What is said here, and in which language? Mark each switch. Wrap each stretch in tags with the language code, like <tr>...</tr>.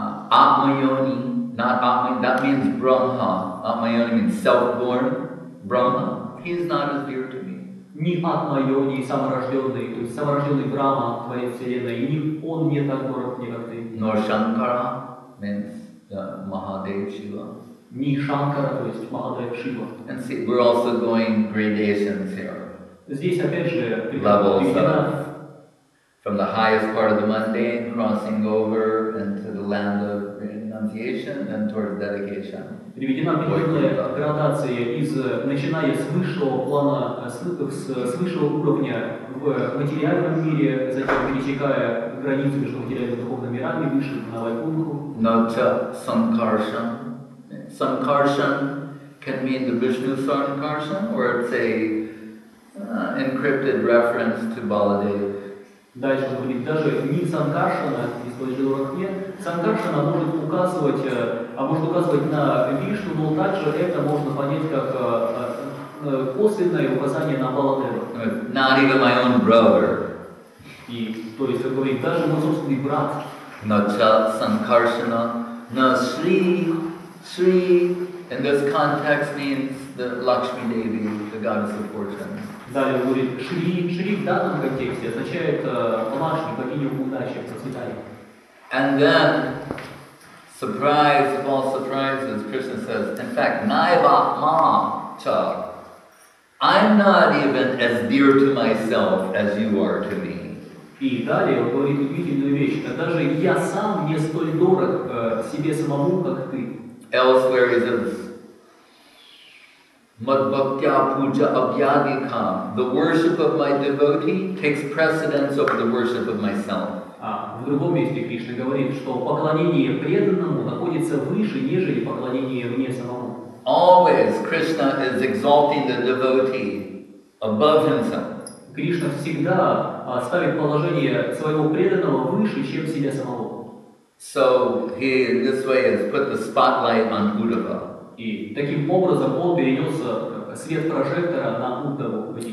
<en>Atmayoni, not Atmayoni, that means Brahma. Atmayoni means self-born Brahma. He is not as dear to me.</en> <ru>ни атма йоги, саморожденный, то есть саморожденный Брама, Творец Вселенной, и ни он не так горд, не как ты.</ru> <en>Nor Shankara, means the Mahadev Shiva.</en> <ru>Ни Шанкара, то есть Махадев Шива.</ru> <en>And see, we're also going gradations here.</en> <ru>Здесь опять же</ru> <en>levels of from the highest part of the mundane, crossing over into the land of renunciation and towards dedication.</en> <ru>Приведена определенная градация из начиная с высшего плана, с высшего уровня в материальном мире, затем пересекая границу между материальными и духовными мирами, выше на Вайкунху.</ru> <sa>Нача Санкаршан.</sa> <en>Санкаршан can mean the Vishnu Sankarshan, or it's a encrypted reference to Baladev.</en> <ru>Дальше может быть даже не Санкаршана, если же Рахме, Санкаршана может указывать, а может указывать на Вишну, но также это можно понять как косвенное указание на Баладева.</ru> <en>Not even my own brother.</en> <ru>И, то есть, как говорит, даже мой собственный брат.</ru> <sa>Нача Санкаршана, на Шри,</sa> <en>Шри, in this context means the Lakshmi Devi, the goddess of fortune.</en> <ru>Далее говорит Шри. Шри в данном контексте означает Лакшми, богиня удачи, процветания.</ru> <en>And then, surprise of all surprises, Krishna says, in fact,</en> <sa>Naivatma cha,</sa> <en>I'm not even as dear to myself as you are to me.</en> <ru>И далее он говорит удивительную вещь, даже я сам не столь дорог себе самому, как ты.</ru> <en>Elsewhere is in</en> <sa>Madhbhaktya Puja Abhyagikam.</sa> <en>The worship of my devotee takes precedence over the worship of myself.</en> <ru>В другом месте Кришна говорит, что поклонение преданному находится выше, нежели поклонение мне самому.</ru> <en>Always Krishna is exalting the devotee above himself.</en> <ru>Кришна всегда ставит положение своего преданного выше, чем себя самого.</ru> <en>So he, in this way, has put the spotlight on Uddhava.</en> <ru>И таким образом он перенес свет прожектора на Уддаву.</ru>